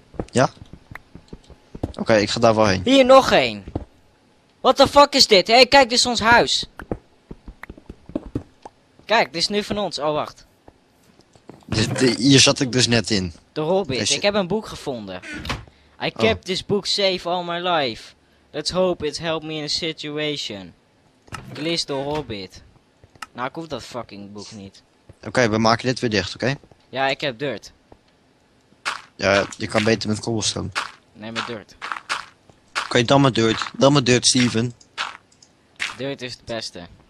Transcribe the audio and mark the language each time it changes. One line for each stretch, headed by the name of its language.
Dutch: Ja? Oké, okay, ik ga daar wel heen. Hier, nog één.
English: What the fuck
Dutch: is dit? Hé, hey, kijk, dit is ons huis. Kijk, dit is nu van ons. Oh, wacht. Hier zat ik dus net in. De Hobbit. Ik heb een boek gevonden.
English: I kept this book safe all my life. Let's hope it helped me in a situation.
Dutch: Ik lees de Hobbit. Nou, ik hoef dat fucking boek niet. Oké, we maken dit weer dicht, oké? Ja, ik heb dirt. Ja, je kan beter met cobblestone. Nee, met dirt. Oké, dan met dirt. Dan met dirt, Steven. Dirt is het beste.